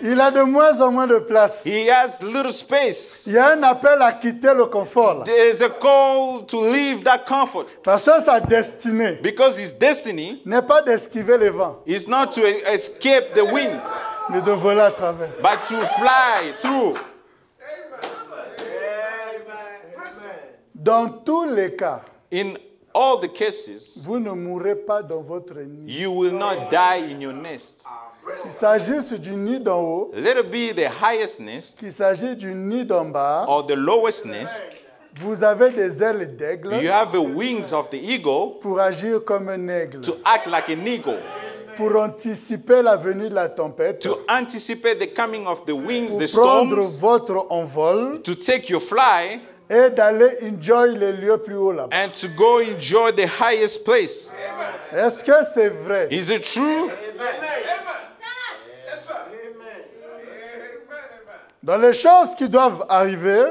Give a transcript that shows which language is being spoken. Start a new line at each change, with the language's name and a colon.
French: Il a de moins en moins de place.
English: He has little space.
French: Il y a un appel à quitter le confort.
English: There is a call to leave that comfort.
French: Parce que sa destinée,
English: because his destiny,
French: n'est pas d'esquiver les vents.
English: It's not to escape the winds,
French: mais de voler à travers.
English: But to fly through.
French: Dans tous les cas,
English: in all the cases,
French: vous ne mourrez pas dans votre nid.
English: You will not die in your nest.
French: Qu'il s'agisse du nid d'en haut,
English: let it be the highest nest,
French: qu'il s'agisse du nid d'en bas,
English: or the lowest nest,
French: vous avez des ailes d'aigle,
English: you have the wings of the eagle,
French: pour agir comme un aigle,
English: to act like an eagle.
French: pour anticiper la venue de la tempête,
English: to anticipate the coming of the winds, the storms,
French: pour prendre votre envol,
English: to take your fly,
French: et d'aller enjoy les lieux plus haut là-bas,
English: and to go enjoy the highest place.
French: Amen. Est-ce que c'est vrai?
English: Is it true?
French: Dans les choses qui doivent arriver,